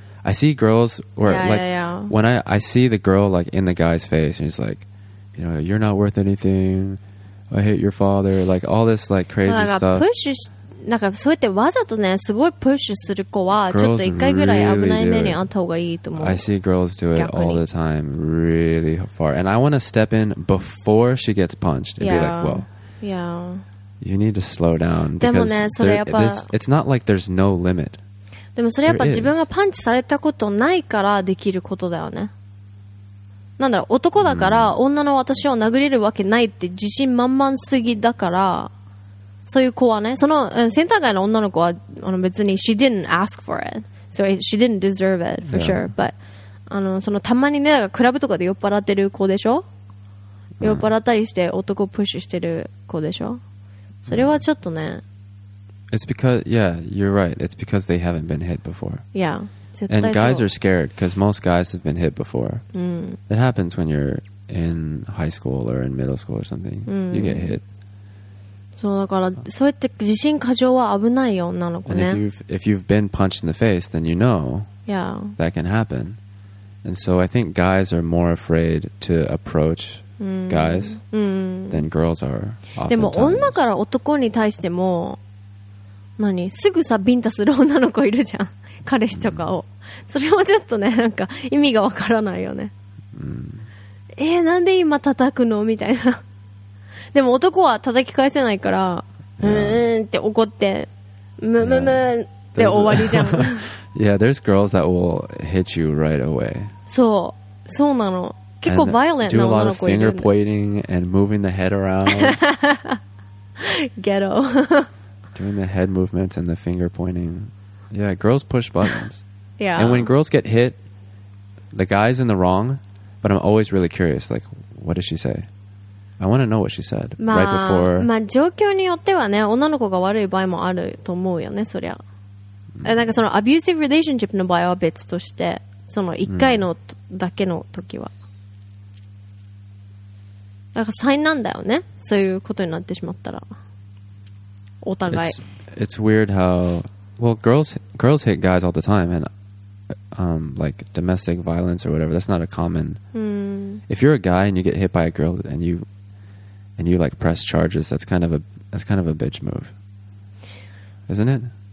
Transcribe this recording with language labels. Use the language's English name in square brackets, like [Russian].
[English] I see girls where, when I see the girl like in the guy's face and he's like, you know, you're not worth anything, I hate your father, like all this like crazy stuff. [Japanese] Push, なんかそうやってわざとねすごいプッシュする子はちょっと一回ぐらい危ない目にあった方がいいと思う。 [English] I see girls do it all the time, really far, and I want to step in before she gets punched and be like, well, you need to slow down. [Japanese] でもねそれやっぱ、 [English] it's not like there's no limit. [Japanese] でもそれやっぱ自分がパンチされたことないからできることだよね。なんだろう、男だから女の私を殴れるわけないって自信満々すぎだから、そういう子はね、そのセンター街の女の子はあの別に [English] she didn't ask for it, so she didn't deserve it for sure, but [Japanese] あのそのたまにねクラブとかで酔っ払ってる子でしょ、酔っ払ったりして男をプッシュしてる子でしょ、それはちょっとね、 [English] It's because, yeah, you're right. It's because they haven't been hit before. Yeah. And guys are scared because most guys have been hit before. It happens when you're in high school or in middle school or something. You get hit. [Japanese] そうだから、そうやって自信過剰は危ないよ、女の子ね。 [English] And if you've been punched in the face, then you know that can happen. And so I think guys are more afraid to approach guys than girls are. [Japanese] でも女から男に対しても何すぐさビンタする女の子いるじゃん、彼氏とかを、それもちょっとねなんか意味がわからないよね、なんで今叩くのみたいな。でも男は叩き返せないから、って怒ってムムムって終わりじゃん。 [English] Yeah, there's girls that will hit you right away. [Japanese] そうそうなの、結構バイオレントな女の子いるんで、 [English] do a lot of finger pointing and moving the head around. ghetto. Doing the head movements and the finger pointing. Yeah, girls push buttons. Yeah. And when girls get hit, the guy's in the wrong, but I'm always really curious, like, what did she say? I want to know what she said、 [Japanese] まあ、 [English] right before. [Japanese] まあ状況によってはね、女の子が悪い場合もあると思うよね、そりゃ。なんかその [English] abusive relationship [Japanese] の場合は別として、その1回のだけの時は。なんか災難だよね、そういうことになってしまったら。 [English] It's weird how, well, girls hit guys all the time, and like domestic violence or whatever, that's not a common. If you're a guy and you get hit by a girl and you like press charges, that's kind of a bitch move, isn't it?